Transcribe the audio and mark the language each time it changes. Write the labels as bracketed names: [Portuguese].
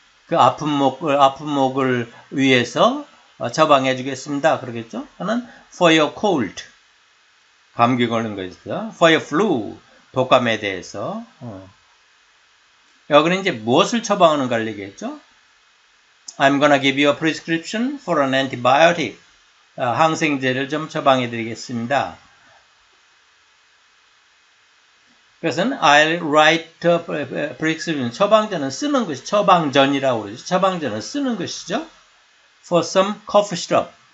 [Korean] 그 아픈 목을 위해서 처방해 주겠습니다. 그러겠죠? 하나는 [English] for your cold. [Korean] 감기 걸린 거 있어요. [English] For your flu. [Korean] 독감에 대해서. 여기는 이제 무엇을 처방하는가를 얘기했죠? [English] I'm gonna give you a prescription for an antibiotic. [Korean] 항생제를 좀 처방해 드리겠습니다. [English] 그래서 I'll write a prescription. [Korean] 처방전은 쓰는 것이 처방전이라고 그러죠. 처방전은 쓰는 것이죠. [English] For some cough syrup.